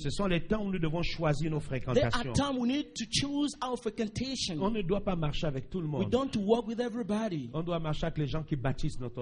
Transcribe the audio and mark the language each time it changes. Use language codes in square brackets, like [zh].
[fr] ce sont les temps où nous devons choisir nos fréquentations. [en] There are times we need to choose our frequentation. [fr] On ne doit pas marcher avec tout le monde. [en] We don't walk with everybody. [fr] On doit marcher avec les gens qui bâtissent notre